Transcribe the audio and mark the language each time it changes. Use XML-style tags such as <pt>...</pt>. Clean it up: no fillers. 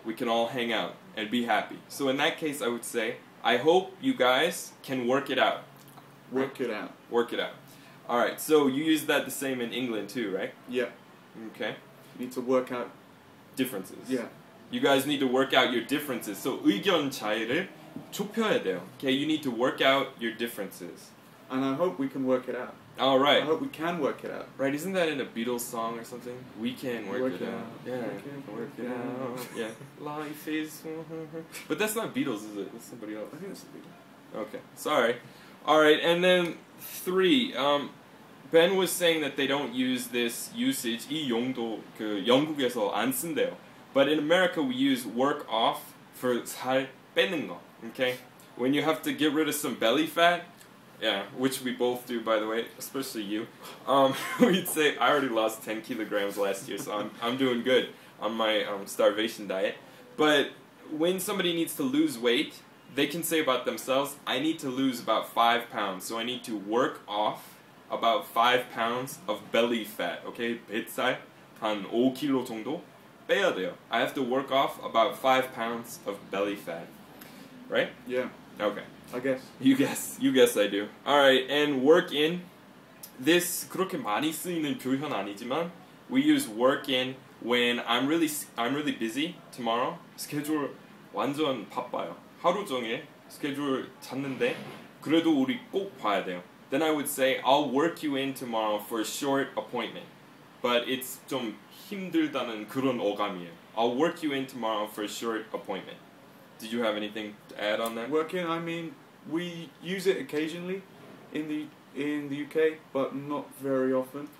<en>We can all hang out and be happy. So in that case, I would say, I hope you guys can work it out. Work it out. Work it out. All right, so you use that the same in England too, right? Yeah. Okay. You need to work out differences. Yeah. You guys need to work out your differences. So</en> <ko>의견 차이를 좁혀야 돼요.</ko> <en>Okay, you need to work out your differences. And I hope we can work it out. All right. I hope we can work it out. Right, isn't that in a Beatles song or something? We can work it out. Yeah. We can work it out. Yeah. Life is... But that's not Beatles, is it? That's somebody else. I think it's the Beatles. Okay, sorry. All right, and then three. Ben was saying that they don't use this usage,</en> <ko>이 용도, 그 영국에서 안 쓴대요.</ko> <en>But in America, we use work off for</en> <ko>살 빼는 거,</ko> <en>okay? When you have to get rid of some belly fat, yeah, which we both do, by the way, especially you, we'd say, I already lost 10 kilograms last year, so I'm doing good on my starvation diet. But when somebody needs to lose weight, they can say about themselves, I need to lose about 5 pounds, so I need to work off about 5 pounds of belly fat, okay?</en> <ko>뱃살 한 5kg 정도 빼야 돼요.</ko> <en>I have to work off about 5 pounds of belly fat, right? Yeah. Okay. I guess. You guess I do. All right, and work in, this</en> <ko>그렇게 많이 쓰이는 표현 아니지만,</ko> <en>we use work in when I'm really busy tomorrow.</en> <ko>스케줄 완전 바빠요. 하루 종일 스케줄 찾는데 그래도 우리 꼭 봐야 돼요.</ko> <en>Then I would say, I'll work you in tomorrow for a short appointment. But it's</en> <ko>좀 힘들다는 그런 어감이에요.</ko> <en>I'll work you in tomorrow for a short appointment. Did you have anything to add on that? Work in, I mean, we use it occasionally in the UK, but not very often.</en>